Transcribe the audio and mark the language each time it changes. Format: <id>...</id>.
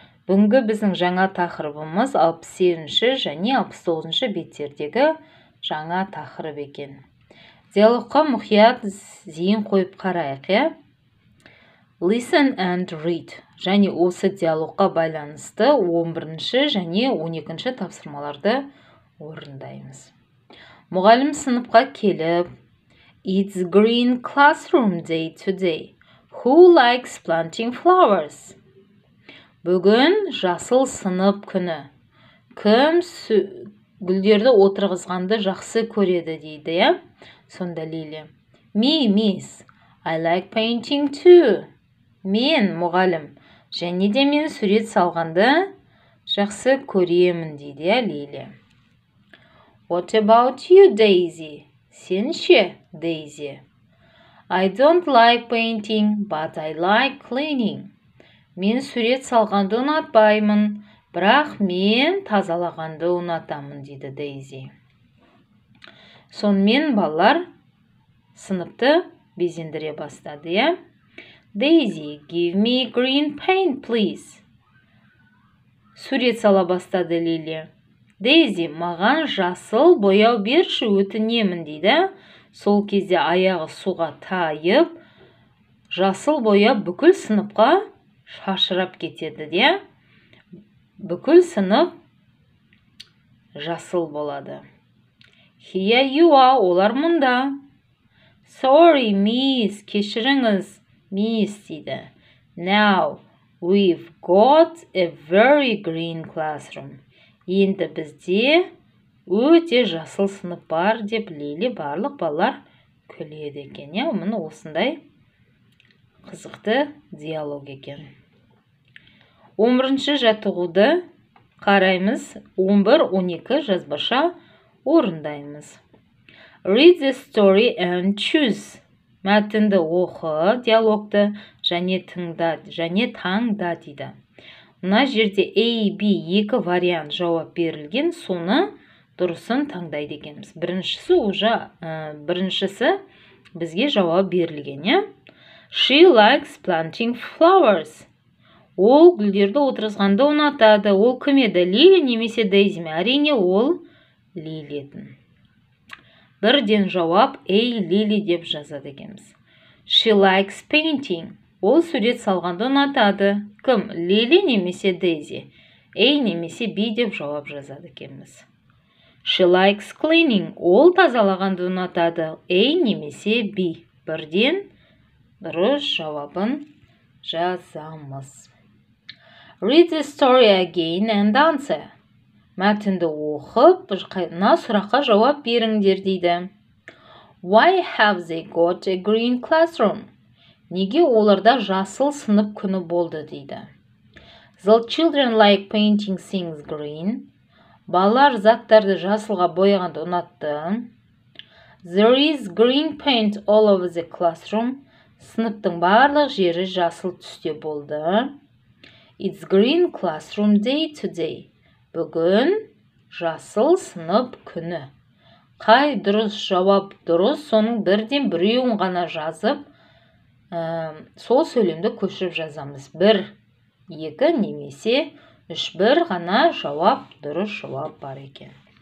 <kk>Бүгінгі біздің жаңа тақырыбымыз 67-ші және 69-ші беттердегі жаңа тақырып екен. Диалогқа мұқият зейін қойып қарайық, е?</kk> <en>Listen and read.</en> <kk>Және осы диалогқа байланысты 11-ші және 12-ші тапсырмаларды орындаймыз. Мұғалім сыныпқа келіп,</kk> <en>It's green classroom day today. Who likes planting flowers?</en> <kk>Бүгін жасыл сынып күні. Кім гүлдерді отырғызғанды жақсы көреді дейді? Сонда</kk> <en>Лили. Me, miss. I like painting too.</en> <kk>Мен, мұғалім, және де мен сурет салғанды жақсы көремін, дейді Лили.</kk> <en>What about you, Daisy?</en> <kk>Сен ше,</kk> <en>Daisy? I don't like painting, but I like cleaning.</en> <kk>Мен сурет салғанды ұнатпаймын, бірақ мен тазалағанды ұнатамын, дейді Daisy. Сонымен балалар сыныпты безендіре бастады, е?</kk> <en>Daisy, give me green paint, please.</en> <kk>Сурет сала бастады Лили. Daisy, маған жасыл бояу берші, өтінемін, дейді. Сол кезде аяғы суға тайып, жасыл бояу бүкіл сыныпқа шашырап кетеді, де. Бүкіл сынып жасыл болады.</kk> <en>Here you are,</en> <kk>олар мұнда.</kk> <en>Sorry, miss,</en> <kk>кешіріңіз. Miss, дейді.</kk> <en>Now, we've got a very green classroom.</en> <kk>Енді бізде өте жасыл сынып бар, деп Лили барлық балалар күледі екен. Мұны осындай қызықты диалог екен. 11-ші жаттығуды қараймыз. 11-12 жазбаша орындаймыз.</kk> <en>Read the story and choose.</en> <kk>Мәтінді оқы, диалогты және тыңда, және таңда, дейді. Мына жерде A, B екі вариант жауап берілген, соны дұрысын таңдайды екеніміз. Біріншісі бізге жауап берілген, е?</kk> <en>She likes planting flowers.</en> <kk>Ол гүлдерді отырғызғанды ұнатады. Ол кім еді? Лили немесе Daisy ме? Әрине ол Лили еді. Бірден жауап «Эй, Лили» деп жазады екеміз.</kk> <en>She likes painting.</en> <kk>Ол сурет салғанды ұнатады. Кім? Лили немесе Daisy? «Эй» немесе «Би» деп жауап жазады екеміз.</kk> <en>She likes cleaning.</en> <kk>Ол тазалағанды ұнатады. «Эй» немесе «Би». Бірден дұрыс жауабын жазамыз.</kk> <en>Read the story again and answer.</en> <kk>Мәтінді оқып, мына сұраққа жауап беріңдер, дейді.</kk> <en>Why have they got a green classroom?</en> <kk>Неге оларда жасыл сынып күні болды, дейді.</kk> <en>The children like painting things green.</en> <kk>Балалар заттарды жасылға бояғанды ұнатты.</kk> <en>There is green paint all over the classroom.</en> <kk>Сыныптың барлық жері жасыл түсте болды.</kk> <en>It's green classroom day today.</en> <kk>Бүгін жасыл сынып күні. Қай дұрыс жауап дұрыс, соның бірден біреуін ғана жазып, сол сөйлемді көшіріп жазамыз. Бір, екі, немесе үш, бір ғана жауап дұрыс жауап бар екен.</kk>